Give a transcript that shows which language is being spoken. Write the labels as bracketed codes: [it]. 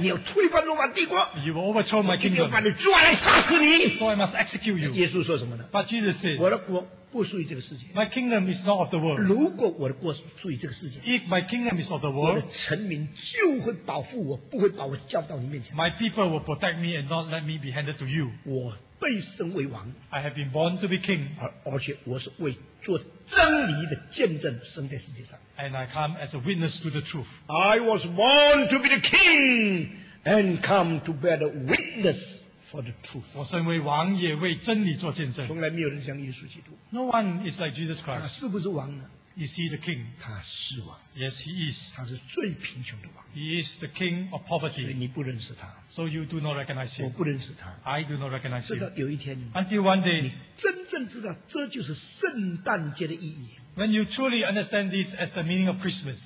[zh] 你要推翻罗马帝国。 [en] You will overthrow my kingdom. [zh] 我一定要把你抓来杀死你。 [en] So I must execute you. [zh] 耶稣说什么呢？ [en] But Jesus said, [zh] 我的国不属于这个世界。 [en] My kingdom is not of the world. [zh] 如果我的国属于这个世界。 [en] If my kingdom is of the world, [zh] 我的臣民就会保护我，不会把我叫到你面前。 [en] My people will protect me and not let me be handed to you. [zh] 我被升为王。 [en] I have been born to be king. [zh] 而且我是为做真理的见证生在世界上。 [en] And I come as a witness to the truth. I was born to be the king and come to bear the witness for the truth. [zh] 我身为王也为真理做见证。从来没有人像耶稣基督。 [en] No one is like Jesus Christ. [zh] 他是不是王呢？ [en] Is he the king? [zh] 他是王。 [en] Yes, he is. [zh] 他是最贫穷的王。 [en] He is the king of poverty. [zh] 所以你不认识他。 [en] So you do not recognize him. [zh] 我不认识他。 [en] I do not recognize him. [zh] 直到有一天。 [en] Until one day. [zh] 你真正知道这就是圣诞节的意义。 [en] When you truly understand this as the meaning of Christmas.